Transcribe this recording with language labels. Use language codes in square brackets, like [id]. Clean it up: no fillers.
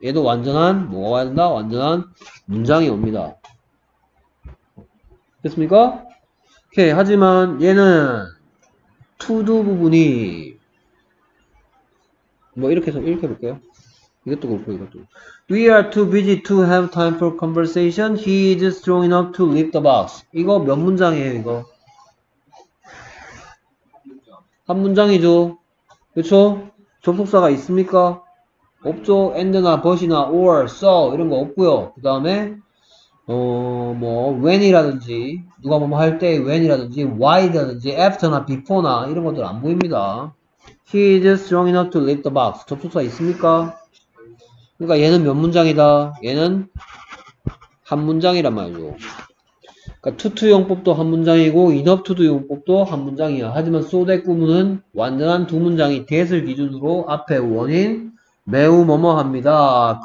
[ko] 얘도 완전한 뭐가 와야 된다? 완전한 문장이 옵니다. 됐습니까? 오케이. 하지만 얘는 to do 부분이 뭐 이렇게 해서 이렇게 해볼게요. 이것도 그렇고 이것도. [en] We are too busy to have time for conversation. He is strong enough to lift the box. [ko] 이거 몇 문장이에요, 이거? 한 문장이죠. 그쵸? 접속사가 있습니까? 없죠. and나 but이나 or, so 이런 거 없고요. 그 다음에 뭐 when이라든지 누가 뭐할때 when이라든지 why라든지 after나 before나 이런 것들 안 보입니다. [en] He is strong enough to lift the box. [ko] 접속사 있습니까? 그러니까 얘는 몇 문장이다? 얘는 한 문장이란 말이죠. 그러니까 투투 용법도 한 문장이고 enough to do 용법도 한 문장이야. 하지만 so that 구문은 완전한 두 문장이 that을 기준으로 앞에 원인 매우 뭐뭐합니다.